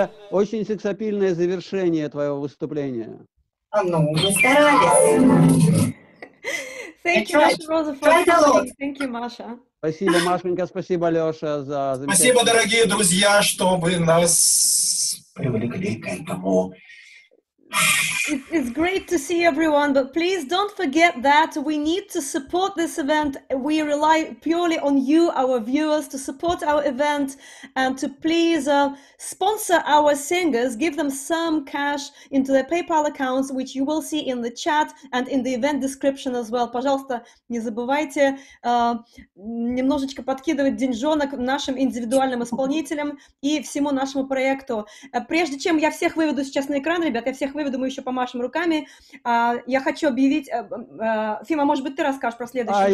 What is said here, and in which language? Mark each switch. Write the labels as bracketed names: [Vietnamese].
[Russian] Очень сексапильное завершение твоего выступления. А ну, мы старались. [English] Thank you, Маша Роза, for coming. Thank you, Маша. [Russian] Спасибо, Машенька, спасибо, Леша, за замечание. Спасибо, дорогие друзья, что вы нас привлекли к этому. [English] It's great to see everyone, but please don't forget that we need to support this event. We rely purely on you, our viewers, to support our event and to please sponsor our singers, give them some cash into their PayPal accounts, which you will see in the chat and in the event description as well. [Russian] Пожалуйста, не забывайте немножечко подкидывать деньжонок нашим индивидуальным исполнителям и всему нашему проекту. Прежде чем я всех выведу сейчас на экран, ребят, я всех выведу, мы еще по машем руками. Я хочу объявить... Фима, может быть, ты расскажешь про следующее?